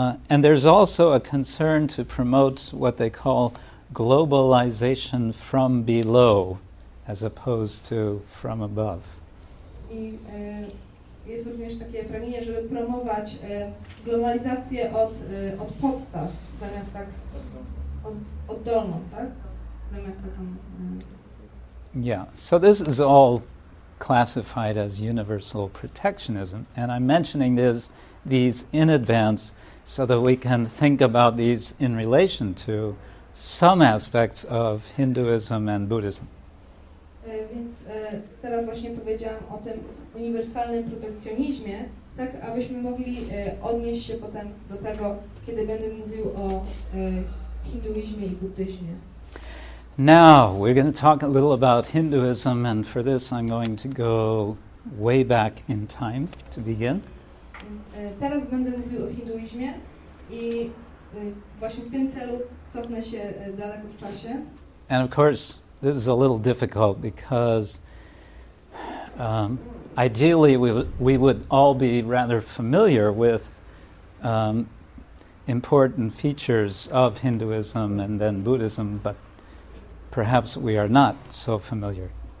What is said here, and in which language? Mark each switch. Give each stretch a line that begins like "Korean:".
English: And there's also a concern to promote what they call globalization from below, as opposed to from above.
Polish: I jest również takie pragnienie, żeby promować globalizację od podstaw, zamiast tak oddolną, tak? Zamiast taką. Yeah.
English: So this is all classified as universal protectionism, and I'm mentioning these in advance, so that we can think about these in relation to some aspects of Hinduism and Buddhism.
Polish: Więc teraz właśnie powiedziałam o tym uniwersalnym protekcjonizmie, tak abyśmy mogli odnieść się potem do tego, kiedy będę mówił o hinduizmie i buddyzmie.
English: Now, we're going to talk a little about Hinduism, and for this I'm going to go way back in time to begin.
Polish: Teraz będę mówił o hinduizmie i właśnie w tym celu cofnę się daleko w czasie.
English: And of course, this is a little difficult because ideally we would all be rather familiar with important features of Hinduism and then Buddhism, but perhaps we are not so familiar.